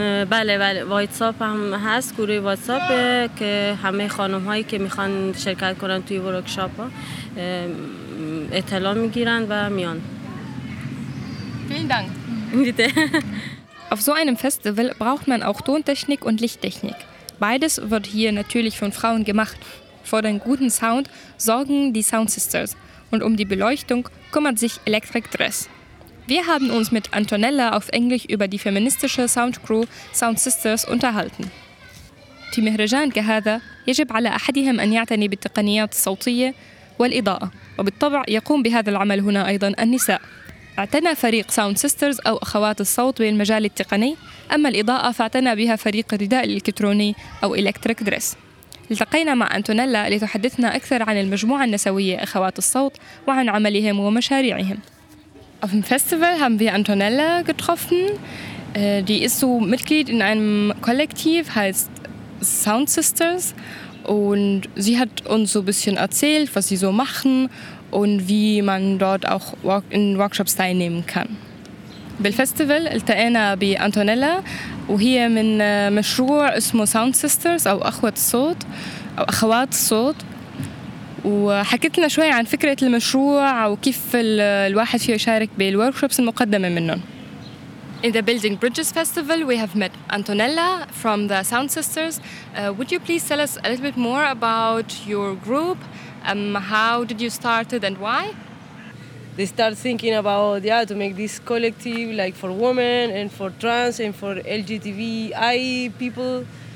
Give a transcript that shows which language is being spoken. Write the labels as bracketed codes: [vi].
[fa] بله بله، واتساپ هم هست، گروه واتساپ که همه خانم هایی که میخوان شرکت کنن توی ورکشاپ ها اطلاع میگیرن و میان. [de] Vielen Dank. Bitte. Auf so einem Festival braucht man auch Tontechnik und Lichttechnik. Beides wird hier natürlich von Frauen gemacht. Vor den guten Sound sorgen die Sound Sisters und um die Beleuchtung kümmert sich Electric Dress. Wir haben uns mit Antonella auf Englisch über die feministische Soundcrew Sound Sisters unterhalten. [ar] في مهرجان كهذا يجب على أحدهم أن يعتني بالتقنيات الصوتية والإضاءة وبالطبع يقوم بهذا العمل هنا أيضا النساء. اعتنى فريق Sound Sisters أو أخوات الصوت بالمجال التقني، أما الإضاءة فاعتنى بها فريق الرداء الإلكتروني أو Electric Dress. التقينا مع أنتونيلا لتحدثنا أكثر عن المجموعة النسوية أخوات الصوت وعن عملهم ومشاريعهم. [de] Auf dem Festival haben wir Antonella getroffen. Die ist so Mitglied in einem Kollektiv, heißt Sound Sisters. Und sie hat uns so ein bisschen erzählt, was sie so machen und wie man dort auch in Workshops teilnehmen kann. [ar] بالفستيفال التقينا بأنتونيلا وهي من مشروع اسمه Sound Sisters أو أخوة الصوت أو أخوات الصوت وحكيت لنا شوي عن فكرة المشروع وكيف الواحد فيه يشارك بالworkshops المقدمة منهم. [en] In the Building Bridges Festival we have met Antonella from the Sound Sisters. Would you please tell us a little bit more about your group? How did you start it and why? They start thinking about, yeah, to make this collective like for women and for trans and for LGBTI people.